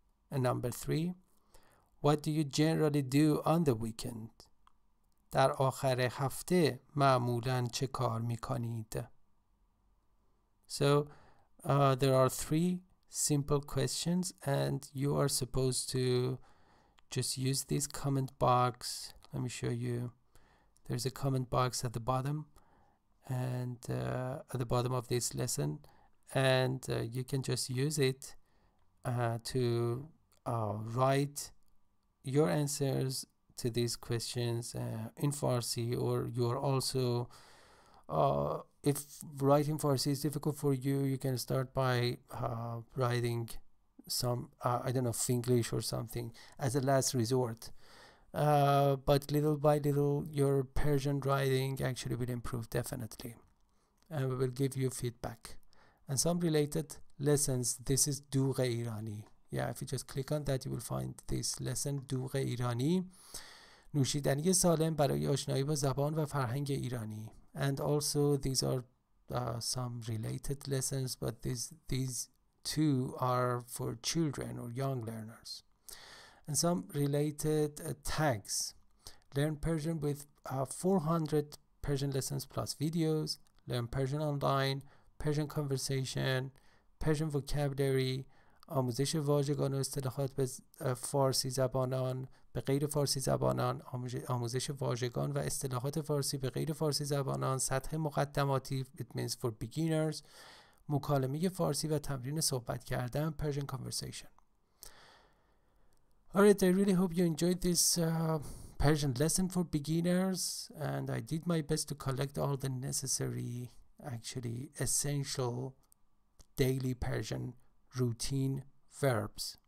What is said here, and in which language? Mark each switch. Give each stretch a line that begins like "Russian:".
English: And number 3, what do you generally do on the weekend?
Persian: در آخر هفته معمولاً چه کار می‌کنید؟
English: So, there are 3 simple questions and you are supposed to just use this comment box. Let me show you. There's a comment box at the bottom and at the bottom of this lesson and you can just use it to write your answers to these questions in Farsi or you are also if writing Farsi is difficult for you you can start by writing some I don't know Finglish or something as a last resort but little by little your Persian writing actually will improve definitely and we will give you feedback and some related lessons this is Dugh-e Irani Yeah, if you just click on that, you will find this lesson, دوغ ایرانی.
Persian: نوشیدنی سالم برای آشنایی با زبان و فرهنگ ایرانی.
English: And also, these are some related lessons, but these two are for children or young learners. And some related tags. Learn Persian with 400 Persian lessons plus videos. Learn Persian online, Persian conversation, Persian vocabulary,
Persian: آموزش واژگان و اصطلاحات به فارسی زبانان، به غیر فارسی زبانان، آموزش واژگان و اصطلاحات فارسی به غیر فارسی زبانان، سطح مقدماتی
English: (it means for beginners),
Persian: مکالمه فارسی و تمرین صحبت کردن
English: (Persian conversation). All right, I really hope you enjoyed this Persian lesson for beginners, and I did my best to collect all the necessary, actually essential, daily Persian routine verbs.